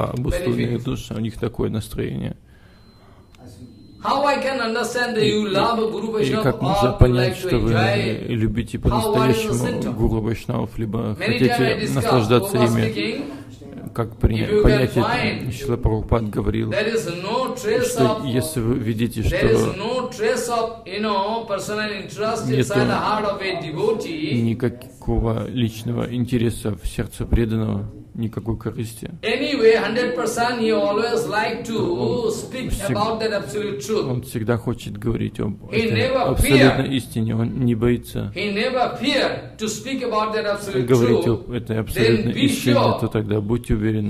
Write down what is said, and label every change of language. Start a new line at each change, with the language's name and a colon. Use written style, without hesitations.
English: Два обусловленные души, у них такое настроение. How I can understand that you love Guru Vaishnava?
Russian: И как можно понять, что вы любите по-настоящему Гуру Вайшнава, либо хотите наслаждаться ими? Как понять это? Шрила Прабхупад говорил, что если вы видите, что нет никакого личного интереса в сердце преданного, никакой корысти.
English: Anyway, 100% he always like to speak about that absolute truth.
Russian: Он всегда хочет говорить об абсолютной истине. Он не боится.
English: He never fear to speak about that absolute truth.
Russian: Говорить об этой абсолютной истине, то тогда будьте уверены.